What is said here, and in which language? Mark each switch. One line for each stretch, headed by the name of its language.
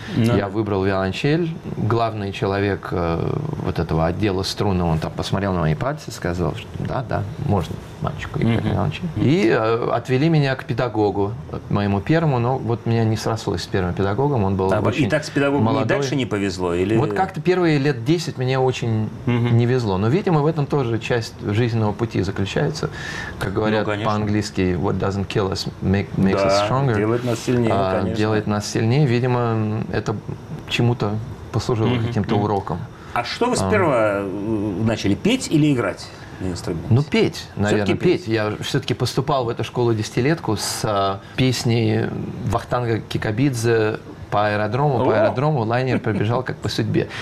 Russian: Да. Я выбрал виолончель. Главный человек вот этого отдела струны, он там посмотрел на мои пальцы, сказал, что да, можно мальчику играть на виолончель. И отвели меня к педагогу, моему первому. Но вот меня не срослось с первым педагогом, он был очень молодой. И так с педагогом молодой. И дальше не повезло? Или... Вот как-то первые лет 10 мне очень не везло. Но, видимо, в этом тоже часть жизненного пути заключается. Как говорят по-английски,
English: what doesn't kill us makes us stronger.
Russian: Делает нас сильнее, конечно. Делает нас сильнее. Видимо, это чему-то послужило каким-то уроком. А что вы сперва начали, петь или играть? Инструмент. Ну, петь, наверное, петь. Я все-таки поступал в эту школу десятилетку с песней Вахтанга Кикабидзе «По аэродрому, по аэродрому лайнер пробежал как по судьбе».